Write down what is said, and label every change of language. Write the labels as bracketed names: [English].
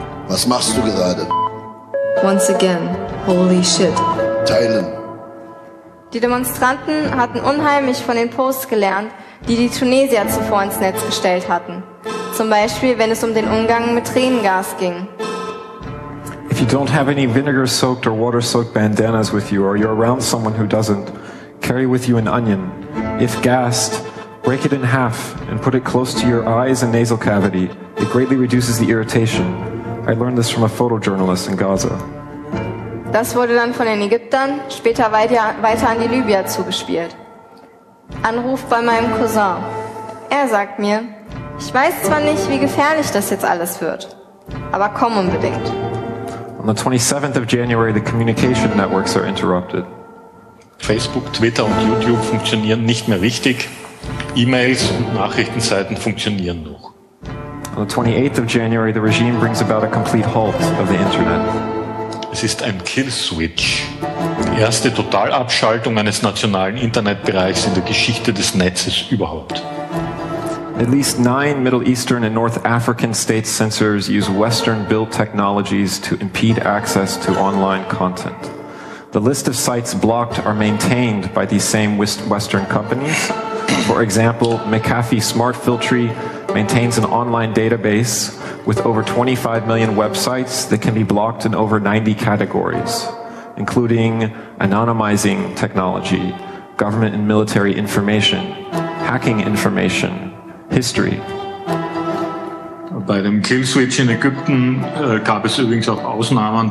[German] Was machst du gerade? [English] Once again, holy shit. [German] Teilen. Die Demonstranten hatten unheimlich von den Posts gelernt, die Tunesier zuvor ins Netz gestellt hatten. Zum Beispiel, wenn es um den Umgang mit Tränengas ging. [English] If you don't have any vinegar-soaked or water-soaked bandanas with you, or you're around someone who doesn't, carry with you an onion. If gassed, break it in half and put it close to your eyes and nasal cavity. It greatly reduces the irritation. I learned this from a photojournalist in Gaza. [German] Das wurde dann von den Ägyptern später weiter an die Libyer zugespielt. Anruf bei meinem Cousin. Er sagt mir, ich weiß zwar nicht, wie gefährlich das jetzt alles wird, aber komm unbedingt. [English] On the 27th of January, the communication networks are interrupted. [German] Facebook, Twitter und YouTube funktionieren nicht mehr richtig. E-Mails und Nachrichtenseiten funktionieren noch. [English] On the 28th of January, the regime brings about a complete halt of the Internet. [German] Es ist ein Kill-Switch. Die erste Totalabschaltung eines nationalen Internetbereichs in der Geschichte des Netzes überhaupt. [English] At least 9 Middle Eastern and North African state censors use Western-built technologies to impede access to online content. The list of sites blocked are maintained by these same Western companies. For example, McAfee Smart Filtry maintains an online database with over 25 million websites that can be blocked in over 90 categories, including anonymizing technology, government and military information, hacking information, history. [German] Bei dem Killswitch in Ägypten gab es übrigens auch Ausnahmen.